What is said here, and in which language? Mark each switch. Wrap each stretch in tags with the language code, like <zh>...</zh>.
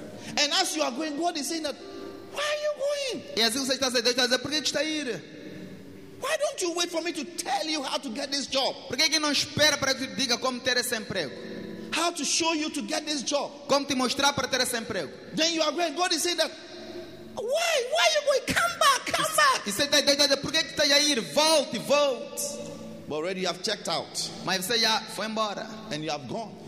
<en>And as you are going, God is saying that, why are you going?</en> <pt>E assim você está saindo, Deus está dizendo, por que está ir?</pt> <en>Why don't you wait for me to tell you how to get this job?</en> <pt>Por que não espera para que eu te diga como ter esse emprego?</pt> <en>How to show you to get this job?</en> <pt>Como te mostrar para ter esse emprego?</pt> <en>Then you are going, God is saying that, why are you going? Come back, come back.</en> <pt>E você está idade, por que está a ir? Volte, volte.</pt> <en>But already you have checked out.</en> <pt>Mas você já foi embora.</pt> <en>And you have gone.</en>